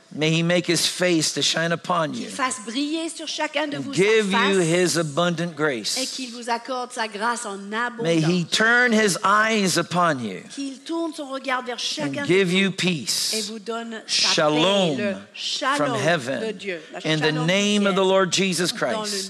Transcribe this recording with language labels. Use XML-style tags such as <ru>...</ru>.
<en>May He make His face to shine upon you.</en> <fr>Qu'il fasse briller sur chacun de vous.</fr> <en>Give you His abundant grace.</en> <fr>Et qu'il vous accorde sa grâce en abondance.</fr> <en>May He turn His eyes upon you.</en> <fr>Qu'il tourne son regard vers chacun de vous.</fr> <en>Give you peace.</en> <fr>Et vous donne sa</fr> <he>shalom,</he> <fr>paix,</fr> <en>shalom from heaven.</en> <fr>De Dieu.</fr> <en>In the name of the Lord Jesus Christ.</en>